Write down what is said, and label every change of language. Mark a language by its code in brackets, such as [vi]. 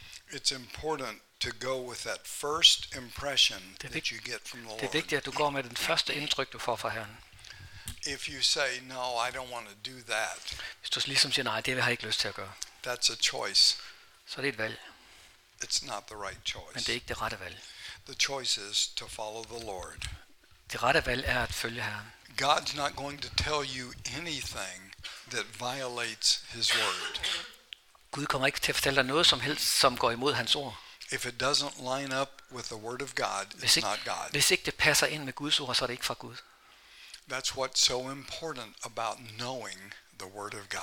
[en] It's important to go with that first impression that you get from the Lord. [da] Det er vigtigt at du går med den første indtryk du får fra Herren. [en] If you say no, I don't want to do that. [da] Hvis du ligesom siger nej, det har jeg ikke lyst til at gøre. [en] That's a choice. [da] Så det er et valg. [en] It's not the right choice. [da] Men det er ikke det rette valg. [en] The choice is to follow the Lord. [da] Det rette valg er at følge Herren. [en] God's not going to tell you anything that violates his word. [da] Gud kommer ikke til at fortælle dig noget som helst, som går imod hans ord. [en] If it doesn't line up with the word of God, it's not God. [da] Hvis ikke det passer ind med Guds ord, så er det ikke fra Gud. [en] That's what's so important about knowing the word of God.